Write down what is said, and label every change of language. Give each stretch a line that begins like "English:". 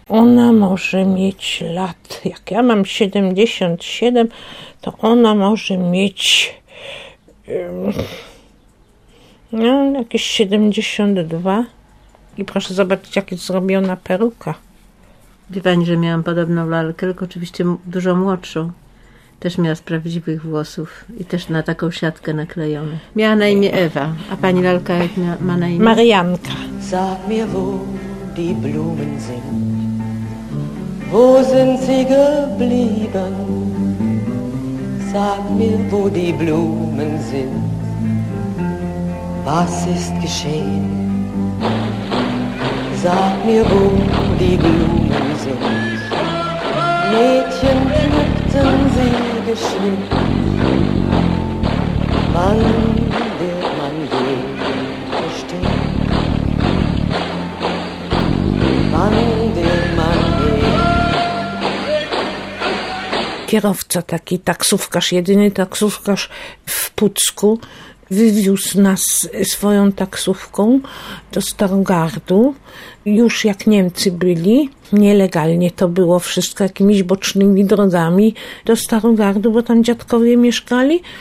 Polish: Ona może mieć lat, jak ja mam 77, to ona może mieć jakieś 72. I proszę zobaczyć, jak jest zrobiona peruka. Wie pani, że miałam podobną lalkę, tylko oczywiście dużo młodszą. Też miała z prawdziwych włosów i też na taką siatkę naklejone. Miała na imię Ewa, a pani lalka jak ma na imię? Marianka.
German: Sag mir, wo die Blumen sind. Wo sind sie geblieben? Sag mir, wo die Blumen sind. Was ist geschehen? Sag mir, wo die Blumen sind. Mädchen pflückten sie geschwind. Wann wird man je verstehen? Wann wird man je?
Polish: Kierowca taki, taksówkarz, jedyny taksówkarz w Pucku, wywiózł nas swoją taksówką do Starogardu. Już jak Niemcy byli, nielegalnie to było wszystko, jakimiś bocznymi drogami do Starogardu, bo tam dziadkowie mieszkali.